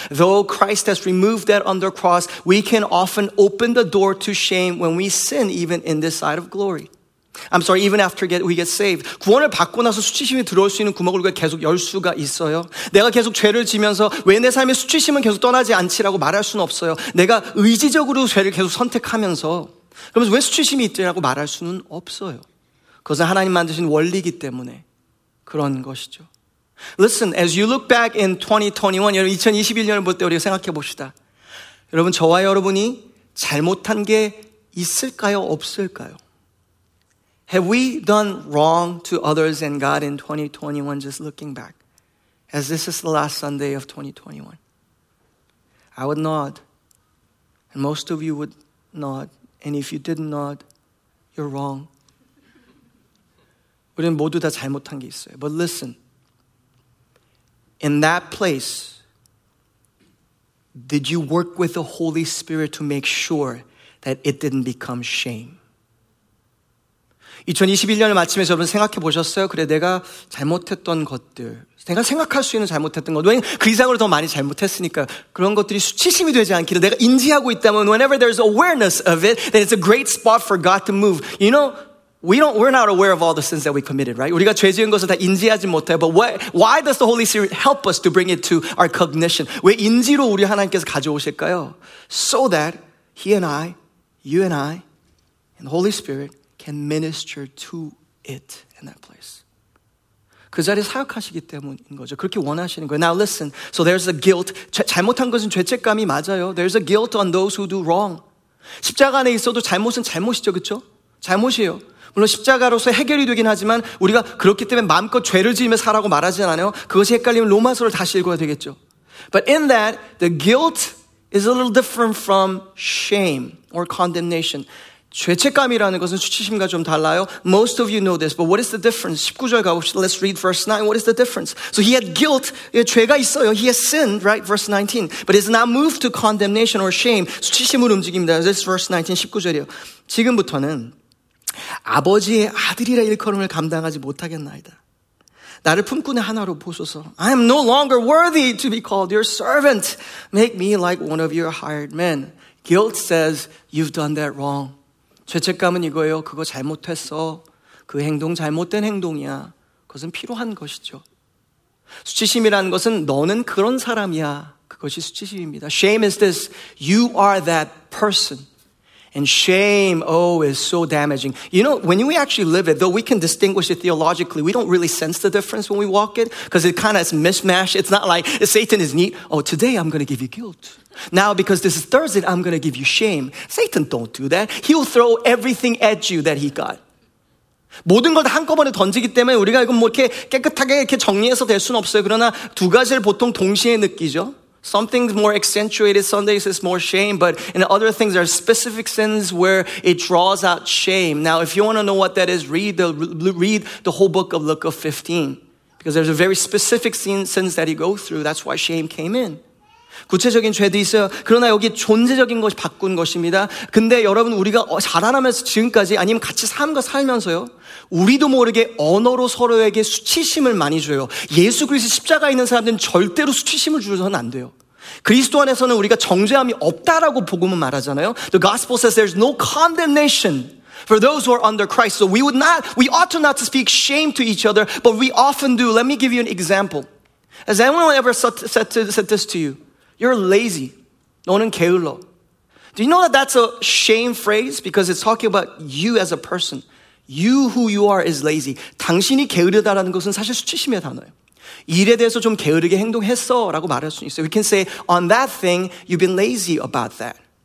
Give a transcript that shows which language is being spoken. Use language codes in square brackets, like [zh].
[en] Though Christ has removed that on the cross, we can often open the door to shame when we sin, even in this side of glory. I'm sorry, even after we get saved. [ko] 구원을 받고 나서 수치심이 들어올 수 있는 구멍을 우리가 계속 열 수가 있어요. 내가 계속 죄를 지면서 왜 내 삶의 수치심은 계속 떠나지 않지라고 말할 수는 없어요. 내가 의지적으로 죄를 계속 선택하면서 그러면서 왜 수치심이 있지라고 말할 수는 없어요. 그것은 하나님 만드신 원리이기 때문에 그런 것이죠. [en] Listen, as you look back in 2021, [ko] 여러분 2021년을 볼 때 우리가 생각해 봅시다. 여러분, 저와 여러분이 잘못한 게 있을까요, 없을까요? [en] Have we done wrong to others and God in 2021 just looking back? As this is the last Sunday of 2021. I would nod. And most of you would nod. And if you didn't nod, you're wrong. [ko] 우리는 모두 다 잘못한 게 있어요. [en] But listen. In that place, did you work with the Holy Spirit to make sure that it didn't become shame? [ko] 2021년을 마치면서 여러분 생각해 보셨어요? 그래, 내가 잘못했던 것들, 내가 생각할 수 있는 잘못했던 것들, 왜냐면 그 이상으로 더 많이 잘못했으니까 그런 것들이 수치심이 되지 않기를 내가 인지하고 있다면, [en] whenever there's awareness of it, then it's a great spot for God to move. You know, we're not aware of all the sins that we committed, right? [ko] 우리가 죄 지은 것을 다 인지하지 못해요. [en] But why does the Holy Spirit help us to bring it to our cognition? [ko] 왜 인지로 우리 하나님께서 가져오실까요? [en] So that He and I, you and I, and the Holy Spirit can minister to it in that place. [ko] 그 자리에 사역하시기 때문인 거죠. 그렇게 원하시는 거예요. [en] Now listen, so there's a guilt. [ko] 잘못한 것은 죄책감이 맞아요. [en] There's a guilt on those who do wrong. [ko] 십자가 안에 있어도 잘못은 잘못이죠, 그쵸? 잘못이에요. 물론 십자가로서 해결이 되긴 하지만 우리가 그렇기 때문에 마음껏 죄를 지으며 살라고 말하진 않아요. 그것이 헷갈리면 로마서를 다시 읽어야 되겠죠. [en] But in that, the guilt is a little different from shame or condemnation. [ko] 죄책감이라는 것은 수치심과 좀 달라요. [en] Most of you know this, but what is the difference? [ko] 19절 가봅시다. [en] Let's read verse 9. What is the difference? So he had guilt. [ko] 예, 죄가 있어요. [en] He has sinned, right? Verse 19. But he's not moved to condemnation or shame. [ko] 수치심으로 움직입니다. [en] This is verse 19, [ko] 19절이요. 지금부터는 아버지의 아들이라 일컬음을 감당하지 못하겠나이다. 나를 품꾼의 하나로 보소서. [en] I am no longer worthy to be called your servant. Make me like one of your hired men. Guilt says you've done that wrong. [ko] 죄책감은 이거예요. 그거 잘못했어. 그 행동 잘못된 행동이야. 그것은 필요한 것이죠. 수치심이라는 것은 너는 그런 사람이야. 그것이 수치심입니다. [en] Shame is this. You are that person. And shame, oh, is so damaging. You know, when we actually live it, though we can distinguish it theologically, we don't really sense the difference when we walk it because it kind of is mishmash. It's not like Satan is neat. Oh, today I'm going to give you guilt. Now, because this is Thursday, I'm going to give you shame. Satan, don't do that. He'll throw everything at you that he got. [ko] 모든 걸 다 한꺼번에 던지기 때문에 우리가 이건 뭐 이렇게 깨끗하게 이렇게 정리해서 될 수는 없어요. 그러나 두 가지를 보통 동시에 느끼죠. [en] Some things more accentuated, some days it's more shame, but in other things there are specific sins where it draws out shame. Now, if you want to know what that is, read the whole book of Luke 15. Because there's a very specific sins that he go through. That's why shame came in. [ko] 구체적인 죄도 있어요. 그러나 여기 존재적인 것이 바꾼 것입니다. 근데 여러분 우리가 자라나면서 지금까지 아니면 같이 삶과 살면서요. 우리도 모르게 언어로 서로에게 수치심을 많이 줘요. 예수 그리스도 십자가에 있는 사람들은 절대로 수치심을 줘서는 안 돼요. 그리스도 안에서는 우리가 정죄함이 없다라고 복음은 말하잖아요. [en] The gospel says there's no condemnation for those who are under Christ. So we ought not to speak shame to each other, but we often do. Let me give you an example. Has anyone ever said this to you? You're lazy. [ko] 너는 게을러. [en] Do you know that that's a shame phrase? Because it's talking about you as a person. You who you are is lazy. [ko] 당신이 게으르다라는 것은 사실 수치심의 단어예요. 일에 대해서 좀 게으르게 행동했어 라고 말할 수 있어요. [en] We can say, on that thing, you've been lazy about that.